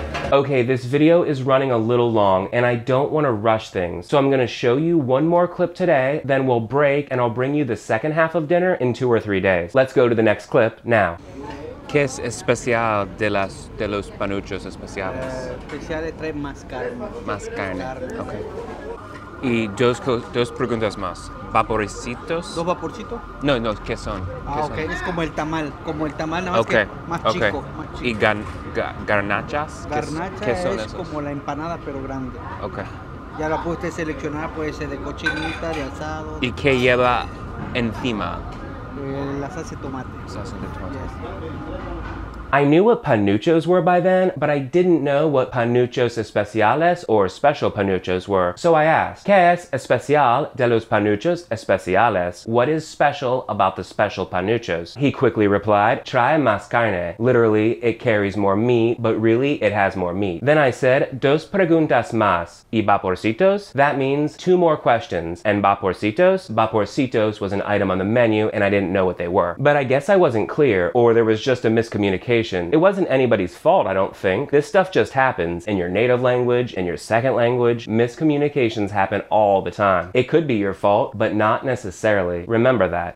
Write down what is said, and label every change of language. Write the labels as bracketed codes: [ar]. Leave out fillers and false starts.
[en] Okay, this video is running a little long, and I don't want to rush things, so I'm going to show you one more clip today, then we'll break, and I'll bring you the second half of dinner in 2 or 3 days. Let's go to the next clip now. [es] ¿Qué es especial de los panuchos especiales? Especial es traer más carne. Más carne. Okay. Y dos preguntas más. ¿Vaporcitos? ¿Dos vaporcitos? No, no, ¿qué son? Ah, ok, es como el tamal, nada más okay. Que más, okay. Chico. ¿Y garnachas? Garnacha ¿qué son es esos? Como la empanada, pero grande. Ok. Ya la puede usted seleccionar, puede ser de cochinita, de asado. ¿Y qué lleva encima? La salsa de tomate. Salsa de tomate. [en] Yes. I knew what panuchos were by then, but I didn't know what panuchos especiales or special panuchos were. So I asked, [es] ¿Qué es especial de los panuchos especiales? [en] What is special about the special panuchos? He quickly replied, [es] trae más carne. [en] Literally, it carries more meat, but really, it has more meat. Then I said, [es] dos preguntas más. ¿Y vaporcitos? [en] That means two more questions. And vaporcitos? Vaporcitos was an item on the menu, and I didn't know what they were. But I guess I wasn't clear, or there was just a miscommunication. It wasn't anybody's fault, I don't think. This stuff just happens in your native language, in your second language. Miscommunications happen all the time. It could be your fault, but not necessarily. Remember that.